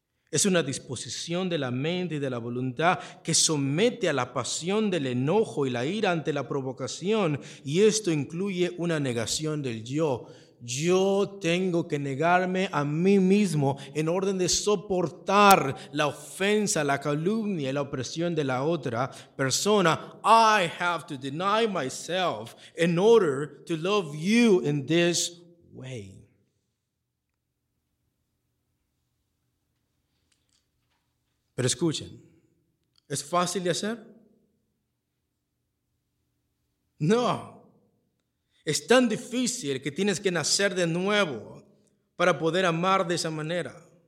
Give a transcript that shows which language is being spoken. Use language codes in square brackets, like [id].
[es] Es una disposición de la mente y de la voluntad que somete a la pasión del enojo y la ira ante la provocación, y esto incluye una negación del yo. Yo tengo que negarme a mí mismo en orden de soportar la ofensa, la calumnia y la opresión de la otra persona. [en] I have to deny myself in order to love you in this way. [es] Pero escuchen, ¿es fácil de hacer? No. Es tan difícil que tienes que nacer de nuevo para poder amar de esa manera.